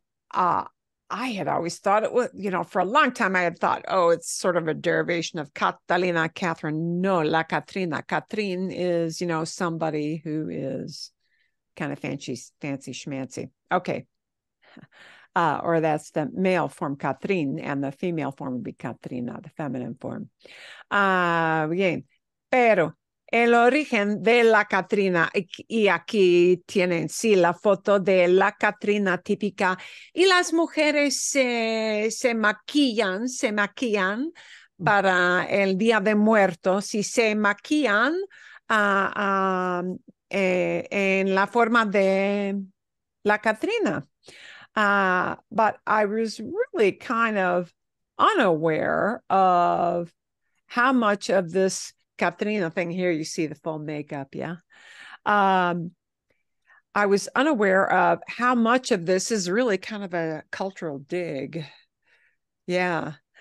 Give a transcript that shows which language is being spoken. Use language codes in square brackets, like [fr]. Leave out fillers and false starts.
[en] I had always thought it was, you know, for a long time, I had thought, oh, it's sort of a derivation of Catalina, Catherine. No, La Catrina. Catherine is, you know, somebody who is kind of fancy schmancy. Okay. Or that's the male form, Catherine, and the female form would be Catrina, the feminine form. [es] Bien. Pero el origen de La Catrina, y aquí tienen, sí, la foto de La Catrina típica. Y las mujeres se maquillan para el Día de Muertos y se maquillan en la forma de La Catrina. [en] But I was really kind of unaware of how much of this Catrina thing here, you see the full makeup, yeah? I was unaware of how much of this is really kind of a cultural dig. Yeah.